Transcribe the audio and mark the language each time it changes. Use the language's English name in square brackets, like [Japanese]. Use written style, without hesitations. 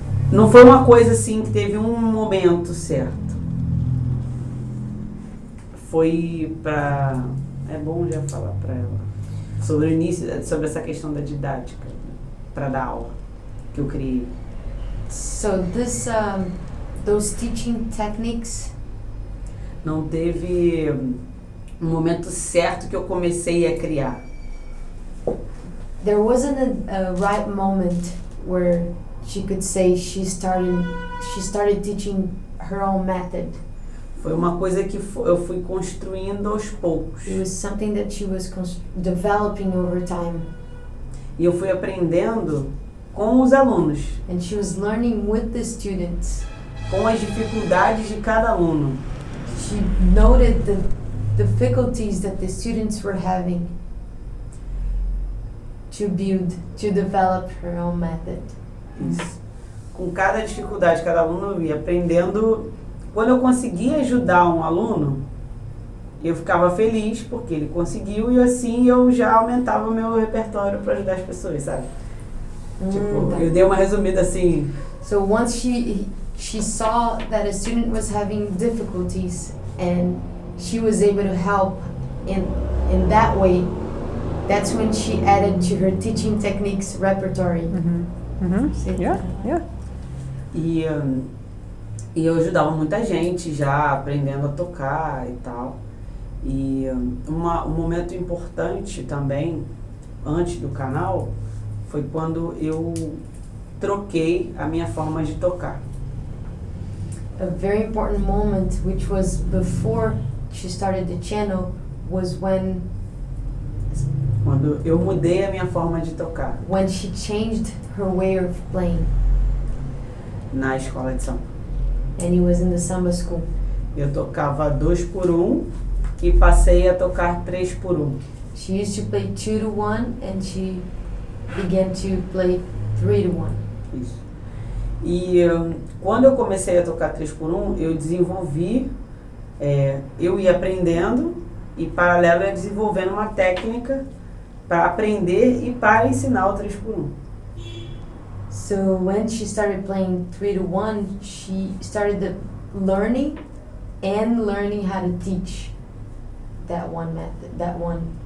[Portuguese] Não foi uma coisa assim que teve um momento certo. Foi para. É bom já falar para ela sobre o início, sobre essa questão da didática para dar aula que eu criei. [English] So this, those teaching techniques. [Portuguese] Não teve um momento certo que eu comecei a criar. [English] There wasn't a right moment where she could say she started teaching her own method. [Portuguese] Foi uma coisa que eu fui construindo aos poucos. [English] It was something that she was developing over time. [Portuguese] E eu fui aprendendo com os alunos. [English] And she was learning with the students. [Portuguese] Com as dificuldades de cada aluno. [English] She noted the difficulties that the students were having to build, to develop her own method. [Portuguese] Isso. Com cada dificuldade, cada aluno ia aprendendo. Quando eu conseguia ajudar um aluno, eu ficava feliz porque ele conseguiu e assim eu já aumentava o meu repertório para ajudar as pessoas, sabe? Tipo, eu dei uma resumida assim. [English] So once she saw that a student was having difficulties and she was able to help in that way, that's when she added to her teaching techniques repertory. Mm-hmm. Yeah, yeah. [Portuguese] E eu ajudava muita gente já aprendendo a tocar e tal. E um momento importante também, antes do canal, foi quando eu troquei a minha forma de tocar. [English] A very important moment, which was before she started the channel, was when... [Portuguese] Quando eu mudei a minha forma de tocar. [English] When she changed her way of playing. [Portuguese] Na escola de samba. [English] And he was in the samba school. [Portuguese] Eu tocava 2-1 e passei a tocar 3-1. [English] She used to play 2-1 and she began to play 3-1. [Portuguese] Isso. E quando eu comecei a tocar 3-1, eu desenvolvi, eu ia aprendendo e paralelo ia desenvolvendo uma técnica para aprender e para ensinar o 3-1. [English] So when she started playing 3-1, she started the learning and learning how to teach that one method, that one